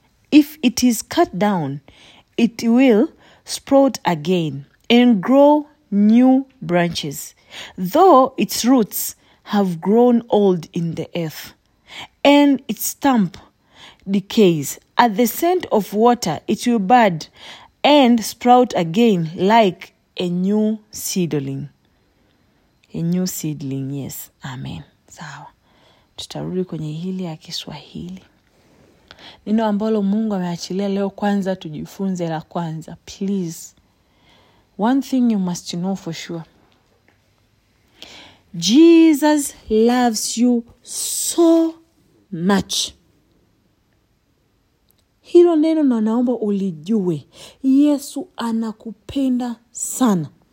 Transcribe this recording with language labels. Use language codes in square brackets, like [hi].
[en] If it is cut down, it will sprout again and grow new branches, though its roots have grown old in the earth and its stump decays. At the scent of water, it will bud and sprout again like a new seedling. A new seedling, yes. Amen. [sw] Sawa. Tutarudi kwenye hili ya Kiswahili. Neno ambalo Mungu ameachilia leo, kwanza tujifunze la kwanza. [en] Please, one thing you must know for sure. Jesus loves you so much. [sw] Hilo neno na naomba ulijue. Yesu anakupenda sana.